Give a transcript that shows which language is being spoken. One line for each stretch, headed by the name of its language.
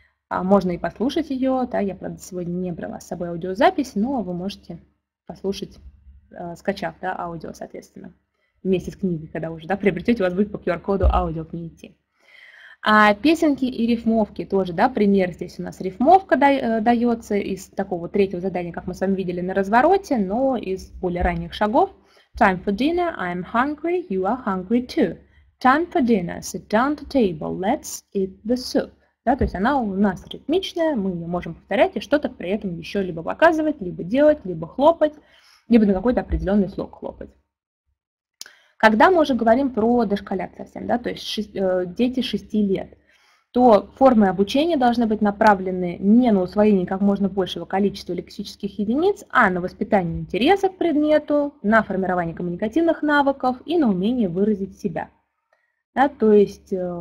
Russian: Можно и послушать ее, да, я, правда, сегодня не брала с собой аудиозапись, но вы можете послушать, скачав, да, аудио, соответственно, вместе с книгой, когда уже, да, приобретете, у вас будет по QR-коду аудио к ней идти. А песенки и рифмовки тоже, да, пример здесь у нас рифмовка дается из такого третьего задания, как мы с вами видели на развороте, но из более ранних шагов.
English: Time for dinner, I'm hungry, you are hungry too. Time for dinner, sit down to table, let's eat the soup.
Russian: Да, то есть она у нас ритмичная, мы ее можем повторять и что-то при этом еще либо показывать, либо делать, либо хлопать, либо на какой-то определенный слог хлопать. Когда мы уже говорим про дошколят совсем, да, то есть дети 6 лет, то формы обучения должны быть направлены не на усвоение как можно большего количества лексических единиц, а на воспитание интереса к предмету, на формирование коммуникативных навыков и на умение выразить себя. Да, то есть...